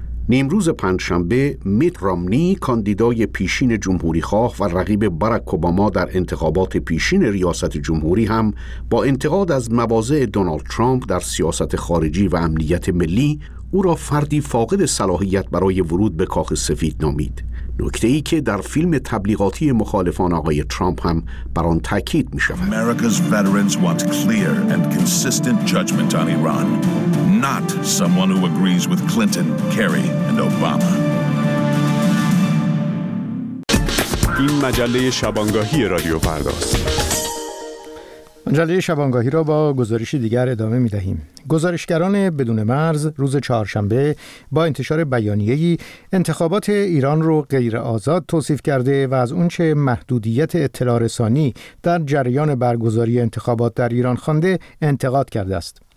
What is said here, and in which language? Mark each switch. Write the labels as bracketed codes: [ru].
[fa] نیمروز پنجشنبه میت رامنی، کاندیدای پیشین جمهوری خواه و رقیب باراک اوباما در انتخابات پیشین ریاست جمهوری، هم با انتقاد از مواضع دونالد ترامپ در سیاست خارجی و امنیت ملی، او را فردی فاقد صلاحیت برای ورود به کاخ سفید نامید. نکته ای که در فیلم تبلیغاتی مخالفان آقای ترامپ هم بر آن تاکید می شود. [en] America's veterans want clear and consistent judgment on Iran, not someone who agrees with Clinton, Kerry and Obama. [fa] این مجله شبانگاهی رادیو فرداست. مجله شبانگاهی را با گزارش دیگر ادامه می دهیم. گزارشگران بدون مرز روز چهارشنبه با انتشار بیانیه‌ای انتخابات ایران را غیر آزاد توصیف کرده و از اونچه محدودیت اطلاع رسانی در جریان برگزاری انتخابات در ایران خوانده انتقاد کرده است.